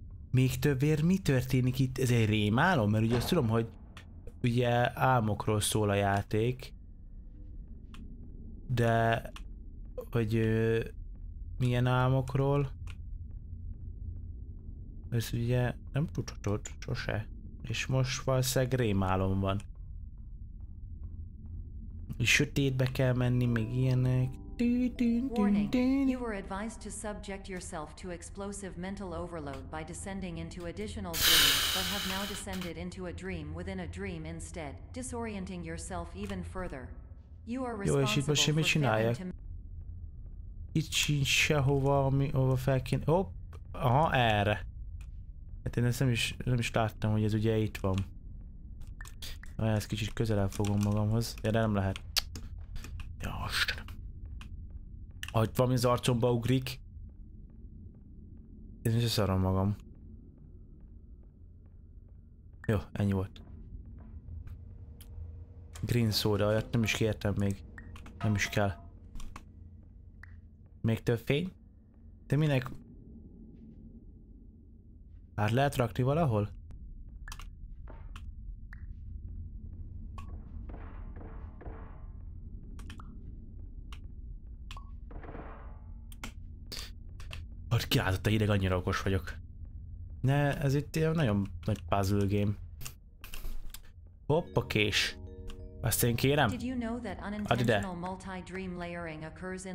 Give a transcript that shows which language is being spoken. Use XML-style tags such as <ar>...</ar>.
<hu>Még több vér, mi történik itt? Ez egy rémálom? Mert ugye azt tudom, hogy ugye álmokról szól a játék. De... hogy... milyen álmokról? Ez ugye nem tudhatod, sose. És most valószínűleg rémálom van. sötétbe kell menni, még ilyenek.</hu> <en>Warning, you were advised to subject yourself to explosive mental overload by descending into additional dreams, but have now descended into a dream within a dream instead, disorienting yourself even further. You are responsible.</en> <hu>Jó, és itt most semmit csináljak. Itt sincs sehova, ami, ahova fel kéne. Hopp, aha, erre. Hát én ezt nem is láttam, hogy ez ugye itt van. Ah, ezt kicsit közelebb fogom magamhoz. Erre nem lehet. Jaj, ahogy valami az arcomba ugrik. Én is szarom magam. Jó, ennyi volt. Green soda, olyat nem is kértem még. Nem is kell. Még több fény? De minek? Hát lehet rakni valahol? Kiállt a hideg, annyira okos vagyok. Ne, ez itt ilyen nagyon nagy puzzle game. Hoppa kés. Azt én kérem?</hu> <en>Did you know that unintentional multi-dream layering occurs in</en>